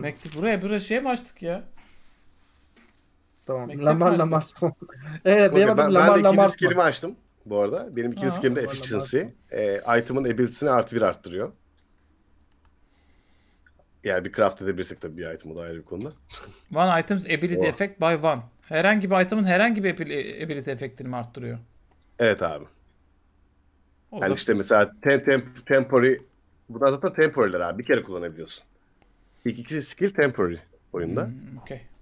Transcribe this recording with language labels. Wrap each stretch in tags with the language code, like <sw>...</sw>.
<tr>Mektup buraya şey mi açtık ya? Tamam. Lamar. Benim adım Lamar. Ben de ikinci skill'imi açtım bu arada. Benim ikinci skill'im de efficiency. Item'ın ability'sini artı bir arttırıyor. Yani bir craft edebilirsek tabii bir item, o da ayrı bir konuda.</tr> <en>One item's ability effect by one.</en> <tr>Herhangi bir item'ın herhangi bir ability efektini mi arttırıyor? Evet abi. Olur. Yani işte mesela temporary, bunlar zaten temporary'ler abi. Bir kere kullanabiliyorsun. İlk iki skill temporary oyunda. Hmm, okay.</tr>